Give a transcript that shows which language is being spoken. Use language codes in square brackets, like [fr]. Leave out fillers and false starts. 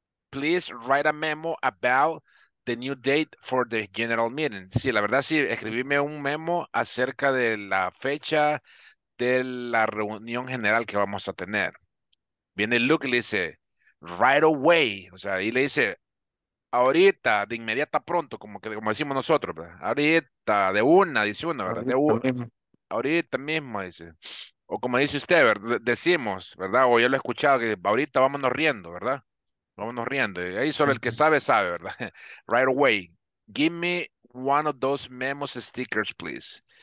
[en] Please write a memo about the new date for the general meeting. [es] Sí, la verdad, sí. Escribime un memo acerca de la fecha de la reunión general que vamos a tener. Viene Luke y le dice, [en] right away. [es] O sea, ahí le dice, ahorita, de inmediata, pronto, como decimos nosotros, ¿verdad? Ahorita, de una, dice uno, ¿verdad? De una. Ahorita mismo, dice. O como dice usted, ¿verdad? Decimos, ¿verdad? O yo lo he escuchado, que ahorita vámonos riendo, ¿verdad? Vámonos riendo. Y ahí solo el que sabe, sabe, ¿verdad? [en] Right away. Give me one of those memos stickers, please.